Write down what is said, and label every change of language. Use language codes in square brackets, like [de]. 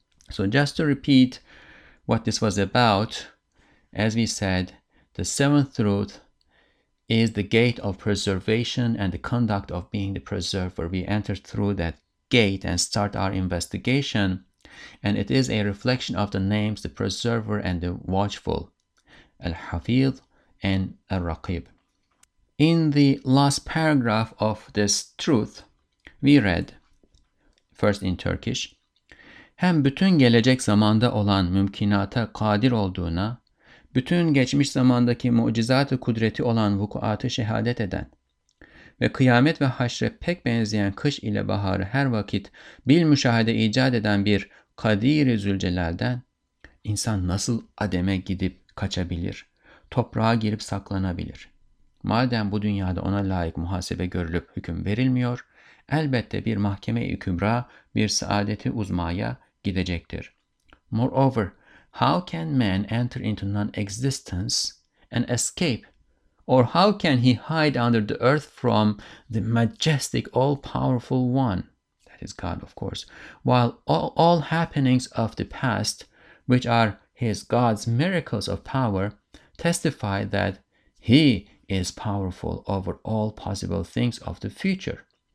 [en] So just to repeat what this was about, as we said, the seventh truth is the gate of preservation and the conduct of being the preserver. We enter through that gate and start our investigation, and it is a reflection of the names, the preserver and the watchful, Al-Hafidh and Al-Raqib. In the last paragraph of this truth, we read, first in Turkish, [tr] Hem bütün gelecek zamanda olan mümkünata kadir olduğuna, bütün geçmiş zamandaki mucizat-ı kudreti olan vukuatı şehadet eden ve kıyamet ve haşre pek benzeyen kış ile baharı her vakit bil müşahede icat eden bir Kadir-i Zülcelal'den insan nasıl Adem'e gidip kaçabilir, toprağa girip saklanabilir? Madem bu dünyada ona layık muhasebe görülüp hüküm verilmiyor, elbette bir mahkeme-i kübra, bir saadet-i uzmaya gidecektir. [en] Moreover, how can man enter into non-existence and escape? Or how can he hide under the earth from the majestic, all-powerful one, that is God, of course, while all happenings of the past, which are his God's miracles of power, testify that he is powerful over all possible things of the future.